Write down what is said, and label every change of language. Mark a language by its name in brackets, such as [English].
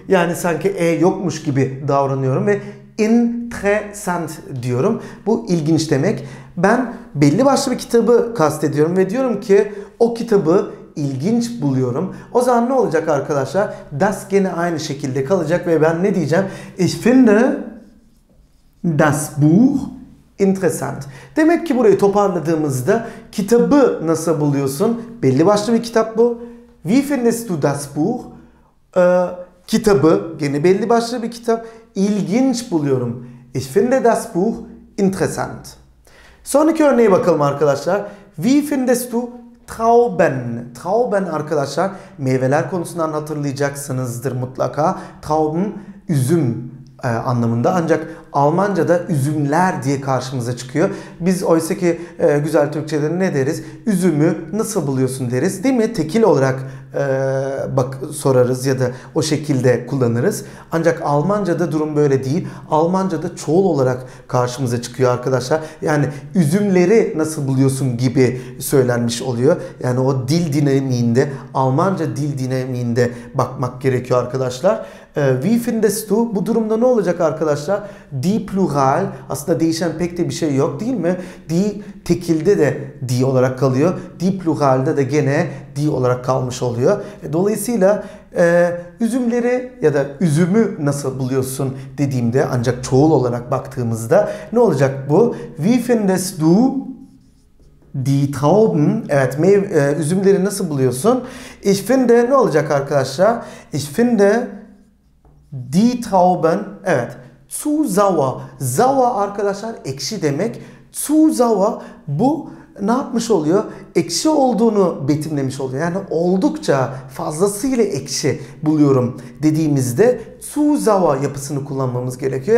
[Turkish] Yani sanki e yokmuş gibi davranıyorum ve interessant diyorum. Bu ilginç demek. Ben belli başlı bir kitabı kastediyorum ve diyorum ki o kitabı ilginç buluyorum. O zaman ne olacak arkadaşlar? Das gene aynı şekilde kalacak ve ben ne diyeceğim? [German] Ich finde das Buch interessant. [Turkish] Demek ki burayı toparladığımızda kitabı nasıl buluyorsun? Belli başlı bir kitap bu. [German] Wie findest du das Buch? [Turkish] Kitabı gene belli başlı bir kitap. İlginç buluyorum. [German] Ich finde das Buch interessant. [Turkish] Sonraki örneğe bakalım arkadaşlar. [German] Wie findest du Trauben? [Turkish] Trauben arkadaşlar meyveler konusundan hatırlayacaksınızdır mutlaka. Trauben üzüm anlamında, ancak Almanca'da üzümler diye karşımıza çıkıyor. Biz oysa ki güzel Türkçe'de ne deriz? Üzümü nasıl buluyorsun deriz, değil mi? Tekil olarak sorarız ya da o şekilde kullanırız. Ancak Almanca'da durum böyle değil. Almanca'da çoğul olarak karşımıza çıkıyor arkadaşlar. Yani üzümleri nasıl buluyorsun gibi söylenmiş oluyor. Yani o dil dinamiğinde, Almanca dil dinamiğinde bakmak gerekiyor arkadaşlar. [German] Wie findest du? [Turkish] Bu durumda ne olacak arkadaşlar? Die plural, aslında değişen pek de bir şey yok değil mi? Die tekilde de die olarak kalıyor. Die pluralde de gene die olarak kalmış oluyor. Dolayısıyla üzümleri ya da üzümü nasıl buluyorsun dediğimde, ancak çoğul olarak baktığımızda ne olacak bu? [German] Wie findest du die Trauben? [Turkish] Evet, üzümleri nasıl buluyorsun? [German] Ich finde [Turkish] ne olacak arkadaşlar? [German] Ich finde die Trauben, evet, zu sauer. Sauer [Turkish] arkadaşlar ekşi demek. [German] Zu sauer, [Turkish] bu ne yapmış oluyor? Ekşi olduğunu betimlemiş oluyor. Yani oldukça fazlasıyla ekşi buluyorum dediğimizde su zava yapısını kullanmamız gerekiyor.